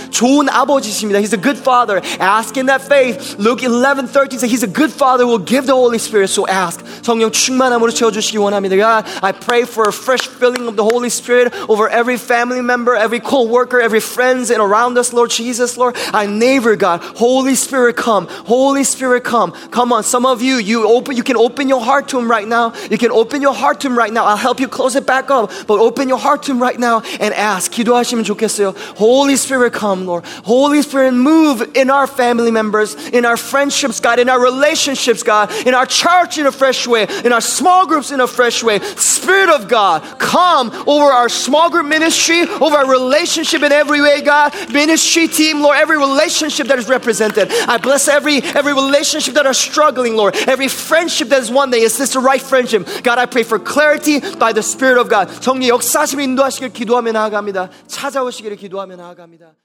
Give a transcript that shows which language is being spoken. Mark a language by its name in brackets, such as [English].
[Korean] 좋은 아버지십니다. [English] He's a good father. Ask in that faith. Luke 11:13 says he's a good father who will give the Holy Spirit. So ask. [Korean] 성령 충만함으로 채워 주시기 원합니다. [English] God, I pray for a fresh filling of the Holy Spirit over every family member, every co-worker, every friends and around us, Lord Jesus, Lord. Our neighbor, God, Holy Spirit come. Holy Spirit come. Come on, some of you, you can open your heart to him right now. You can open your heart to him right now. I'll help you close it back up, but open your heart to him right now and ask. [Korean] 기도하시면 좋겠어요. [English] Holy Spirit come, Lord. Holy Spirit move in our family members, in our friendships, God, in our relationships, God, in our church in a fresh way, in our small groups in a fresh way. Spirit of God, come over our small group ministry, over our relationship in every way, God. Ministry team, Lord, every relationship that is represented. I bless every relationship that are struggling, Lord. Every friendship that is one day, is this the right friendship? God, I pray for clarity by the Spirit of God. [Korean] 성령 역사하시고 인도하시길 기도하며 나아갑니다. 찾아오시기를 기도하며 나아갑니다.